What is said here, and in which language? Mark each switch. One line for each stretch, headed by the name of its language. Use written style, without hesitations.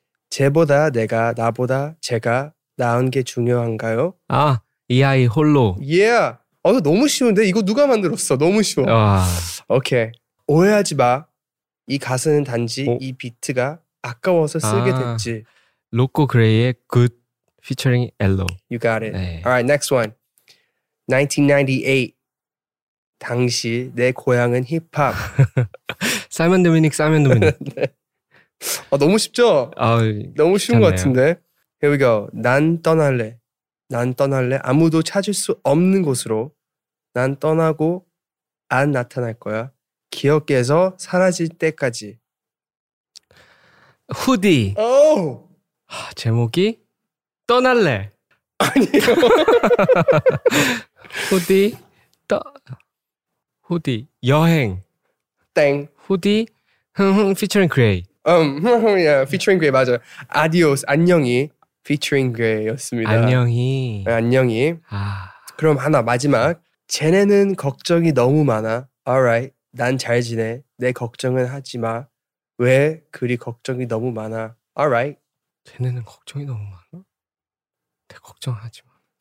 Korean: 제보다 내가 나보다 제가 나은 게 중요한가요? 아, 이 아이 홀로. Yeah. 어, 이거 너무 쉬운데? 이거 누가 만들었어? 너무 쉬워. 와. 오케이. 오해하지 마. 이 가사는 단지 어? 이 비트가 아까워서 쓰게 아, 됐지. 로코 그레이의 Good featuring Ello.
English: You got it. 네. Alright, next one. 1998.
Korean: 당시 내 고향은 힙합. 사이먼 도미닉, 사이먼 도미닉. 네. 아, 너무 쉽죠? 아, 너무 쉬운 것 같은데.
English: Here we go.
Korean: 난 떠날래. 난 떠날래. 아무도 찾을 수 없는 곳으로. 난 떠나고 안 나타날 거야. 기억에서 사라질 때까지. 후디. 오! 하, 제목이 떠날래. 아니요. 후디. 떠. 후디. 여행. 땡. 후디. 흥흥 피처링 그레이. 예, featuring Gray 맞아. Adios, 안녕히 featuring Gray였습니다. 안녕히. 네, 안녕히. 아. 그럼 하나 마지막. 쟤네는 걱정이 너무 많아. Alright, 난 잘 지내. 내 걱정은 하지 마. 왜 그리 걱정이 너무 많아?
English: Alright.
Korean: 쟤네는 걱정이 너무 많아. 내 걱정하지 마.